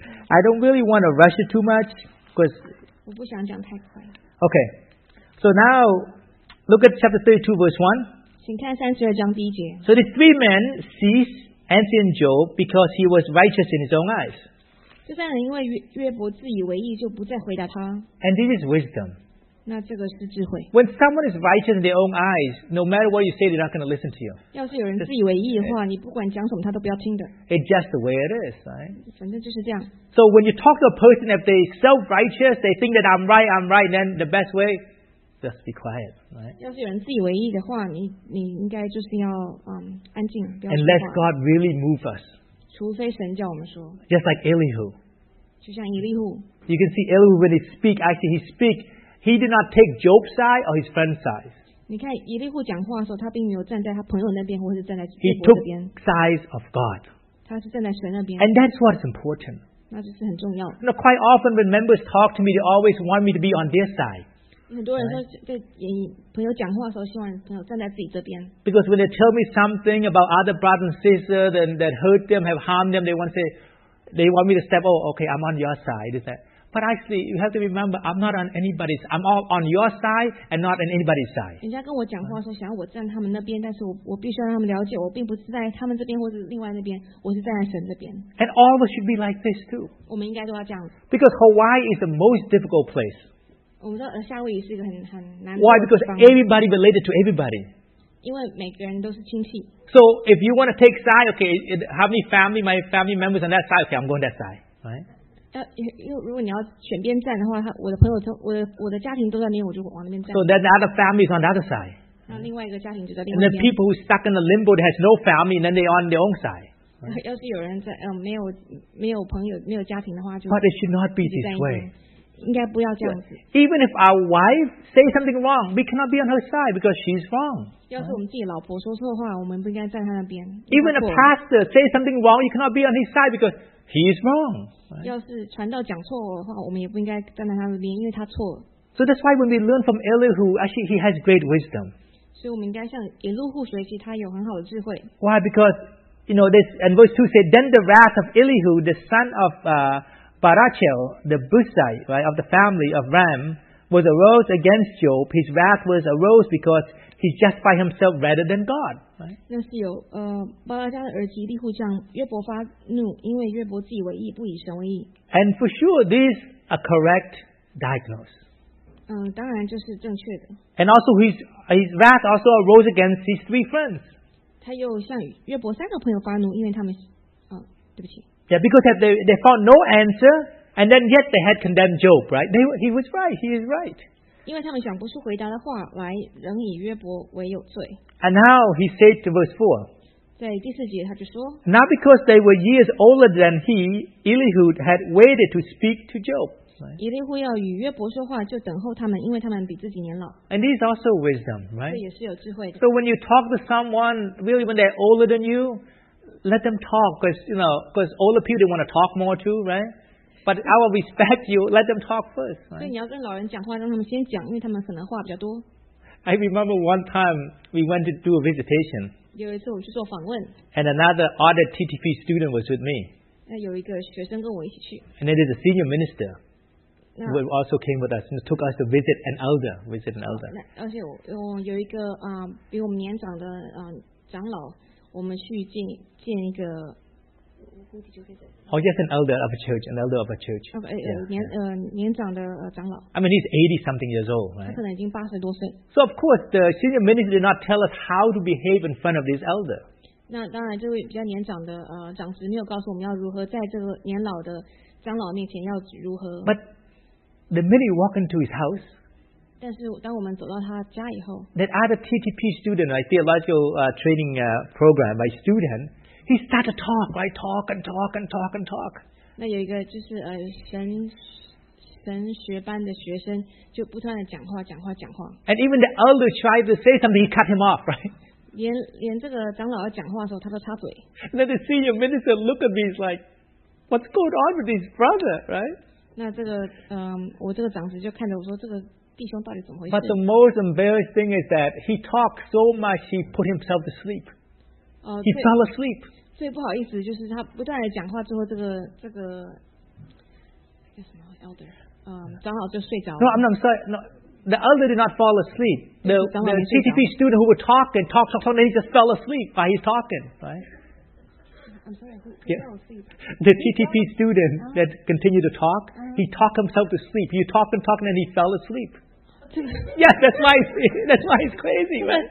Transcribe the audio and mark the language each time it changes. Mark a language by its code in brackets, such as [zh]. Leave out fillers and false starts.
[en] I don't really want to rush it too much because. [zh] 我不想讲太快。 [en] Okay, so now look at chapter 32, verse 1. [zh] 请看三十二章第一节。 [en] So the three men ceased. Ancient Job, because he was righteous in his own eyes. [zh] 这三人因为约伯自以为意，就不再回答他。 [en] And this is wisdom. [zh] 那这个是智慧。 [en] When someone is righteous in their own eyes, no matter what you say, they're not going to listen to you. [zh] 要是有人自以为意的话，你不管讲什么，他都不要听的。 [en] It's just the way it is, right? [zh] 反正就是这样。 [en] So when you talk to a person, if they self-righteous, they think that I'm right, then the best way, just be quiet, right? [zh] 要是有人自以为意的话，你应该就是要安静，不要说话。 [en] Unless God really move us. [zh] 除非神叫我们说。 [en] Just like Elihu. You can see Elihu when he speak, actually he speak, he did not take Job's side or his friend's side. [zh] 你看以利户讲话的时候，他并没有站在他朋友那边，或是站在约伯这边。 [en] He took sides of God. [zh] 他是站在神那边。 [en] And that's what is important. [zh] 那就是很重要。 [en] You know, quite often when members talk to me, they always want me to be on their side. [zh] 很多人都在朋友讲话的时候，希望朋友站在自己这边。 [en] Because when they tell me something about other brothers and sisters that hurt them, have harmed them, they want me to step. Oh, okay, I'm on your side. Is that? But actually, you have to remember, I'm not on anybody's. I'm all on your side and not on anybody's side. [zh] 人家跟我讲话说，想要我站他们那边，但是我必须要让他们了解，我并不是在他们这边或者另外那边，我是站在神这边。 [en] And all of us should be like this too. [zh] 我们应该都要这样子。 [en] Because Hawaii is the most difficult place. [zh] 我们知道夏威夷是一个很难。 [en] Why? Because everybody related to everybody. [zh] 因为每个人都是亲戚。 [en] So if you want to take side, okay, how many family, my family members on that side? Okay, I'm going that side, right? [zh] 如果你要选边站的话，我的朋友我的家庭都在那边，我就往那边站。 [en] So that the other family is on the other side. [zh] 那另外一个家庭就在另外一边。 [en] And the people who stuck in the limbo that has no family, then they on their own side. [zh] 要是有人在没有朋友没有家庭的话，就。 [en] But it should not be this way. [zh] 应该不要这样子。 [en] Even if our wife say something wrong, we cannot be on her side because she's wrong. [zh] 要是我们自己老婆说错话，我们不应该站在那边。 [en] Even a pastor say something wrong, you cannot be on his side because he is wrong. [zh] 要是传道讲错的话，我们也不应该站在他那边，因为他错了。 [en] So that's why when we learn from Elihu, actually he has great wisdom. [zh] 所以我们应该向以利户学习，他有很好的智慧。 [en] Why? Because you know this. And verse 2 said, "Then the wrath of Elihu, the son of Barachel, the Buzite, right of the family of Ram, was arose against Job. His wrath was arose because he justified himself rather than God." [zh] 那是有巴拉加的儿子利户向约伯发怒，因为约伯自以为义，不以神为义。 [en] And for sure, this is a correct diagnosis. [zh] 当然就是正确的。 [en] And also, his wrath also arose against his three friends. [zh] 他又向约伯三个朋友发怒，因为他们，对不起。 [en] Yeah, because they found no answer, and then yet they had condemned Job, right? He was right. He is right. [zh] 因为他们想不出回答的话来，仍以约伯为有罪。 [en] And now he said to verse 4. [zh] 在第四节他就说。 [en] Not because they were years older than he, Elihu had waited to speak to Job. [zh] 以利户要与约伯说话，就等候他们，因为他们比自己年老。 [en] And this is also wisdom, right? [zh] 这也是有智慧的。 [en] So when you talk to someone, really when they're older than you, let them talk, because you know, because older people they want to talk more too, right? But I will respect you. Let them talk first. [zh] 所以你要跟老人讲话，让他们先讲，因为他们可能话比较多。 [en] I remember one time we went to do a visitation. [zh] 有一次我去做访问。 [en] And another other TTP student was with me. [zh] 那有一个学生跟我一起去。 [en] And then there's a senior minister who also came with us and took us to visit an elder. Visit an elder. [zh] 而且我有一个比我们年长的长老，我们去见一个。 [en] Oh, yes, an elder of a church, an elder of a church. I mean, he's 80-something years old, right? So, of course, the senior minister did not tell us how to behave in front of this elder. But the minute you walk into his house, that other TTP student, a theological training program, a student,He started to talk, right? Talk and talk and talk and talk. [zh] 那有一个就是神学班的学生就不断的讲话讲话讲话。 [en] And even the elder tried to say something, he cut him off, right? [zh] 连这个长老要讲话的时候，他都插嘴。 [en] And then the senior minister looked at me, he's like, "What's going on with his brother, right?" [zh] 那这个我这个长子就看着我说，这个弟兄到底怎么回事？ [en] But the most embarrassing thing is that he talked so much, he put himself to sleep. He fell asleep. [zh] 最不好意思就是他不断的讲话之后，这个叫什么 elder， 长老就睡着了。 [en] No, I'm sorry. No, the elder did not fall asleep. The TTP student who were talking, talk, and he just fell asleep while he's talking, right? I'm sorry. Yeah. The TTP student that continued to talk, he talked himself to sleep. He talked and talked, and he fell asleep. Yes, that's why he's crazy, right?